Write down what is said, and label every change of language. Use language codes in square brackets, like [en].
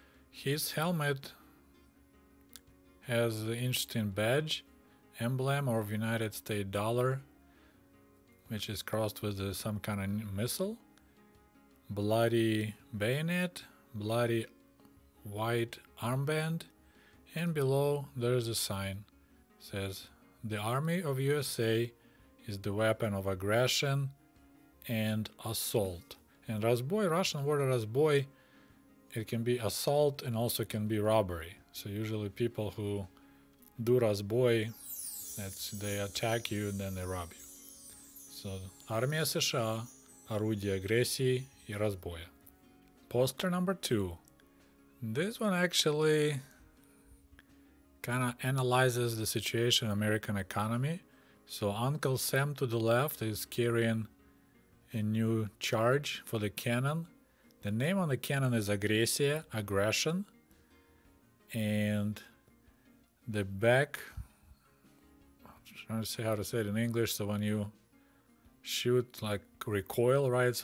[en] His helmet has an interesting badge, emblem of United States dollar, which is crossed with some kind of missile, bloody bayonet, bloody white armband, and below there is a sign, says, "The Army of USA is the weapon of aggression and assault." And Razboy, Russian word Razboy, it can be assault and also can be robbery. So usually people who do Razboy, that's they attack you and then they rob you. [ru] So Армия США, орудие агрессии и разбоя. [en] Poster number two. This one actually kind of analyzes the situation in American economy. So Uncle Sam to the left is carrying a new charge for the cannon. The name on the cannon is Агрессия, aggression. And the back, I'm trying to say it in English, so when you shoot, like, recoil, right?